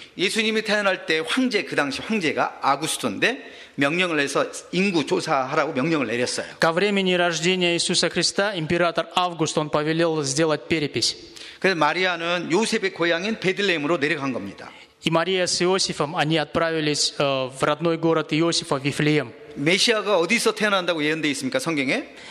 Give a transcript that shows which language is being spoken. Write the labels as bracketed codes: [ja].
[ko] 예수님이 태어날 때 황제 그 당시 황제가 아구스토인데 명령을 해서 인구 조사하라고 명령을 내렸어요. [ru] Ко времени рождения Иисуса Христа император Август он повелел сделать перепись. [ko] 그래서 마리아는 요셉의 고향인 베들레헴으로 내려간 겁니다. [ru] И Мария с Иосифом они отправились в родной город Иосифа в Вифлеем. [ko] 메시아가 어디서 태어난다고 예언되어 있습니까 성경에?